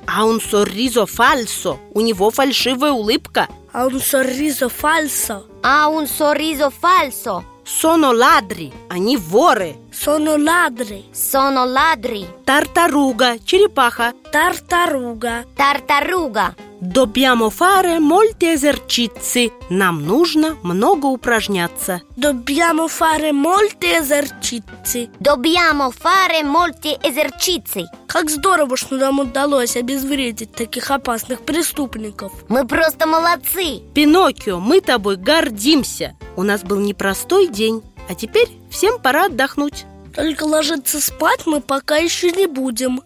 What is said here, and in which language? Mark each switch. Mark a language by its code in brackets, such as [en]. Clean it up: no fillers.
[it] Ha un sorriso falso, [ru] у него фальшивая улыбка. [it] Ha un sorriso falso. Ha un sorriso falso. Sono ladri, [ru] они воры. [it] Sono ladri. Sono ladri. Tartaruga, черепаха. Tartaruga. Tartaruga. Dobbiamo fare molti esercizi. [ru] Нам нужно много упражняться. [it] Dobbiamo fare molti esercizi. Dobbiamo fare molti esercizi. [ru] Как здорово, что нам удалось обезвредить таких опасных преступников. Мы просто молодцы. Пиноккио, мы тобой гордимся. У нас был непростой день. А теперь всем пора отдохнуть. Только ложиться спать мы пока еще не будем.